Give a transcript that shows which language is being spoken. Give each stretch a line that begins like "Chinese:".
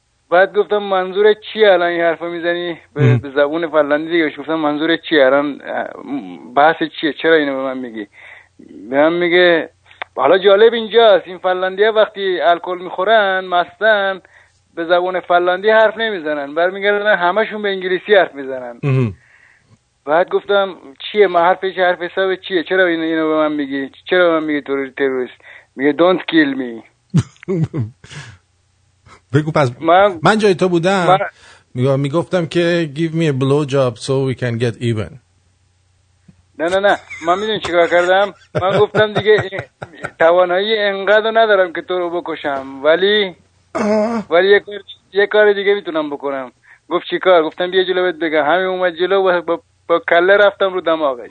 Persian: بعد گفتم منظور چی الان این حرفو میزنی به زبون فلاندی دیگه؟ گفتم منظور چی الان، بحث چیه، چرا اینو به من میگی؟ به من میگه حالا جالب اینجاست، این فلاندی ها وقتی الکل میخورن مستن به زبون فلاندی حرف نمیزنن، برمیگردن همشون به انگلیسی حرف میزنن. بعد گفتم چیه، ما حرفش حرف حساب چیه، چرا اینو به من میگی، چرا به من میگی تروریست؟ میگه
English: don't kill me.
Persian: بگو پس من جای تو بودم میگفتم که
English: give me a blow job so we can get even.
Persian: نه من میدونی چیکار کردم، من گفتم دیگه توانایی انقدر ندارم که تو رو بکشم، ولی یه کار دیگه میتونم بکنم. گفت چیکار؟ گفتم بیا جلو بهت بگم. همین اومد جلو با کله رفتم رو دماغش.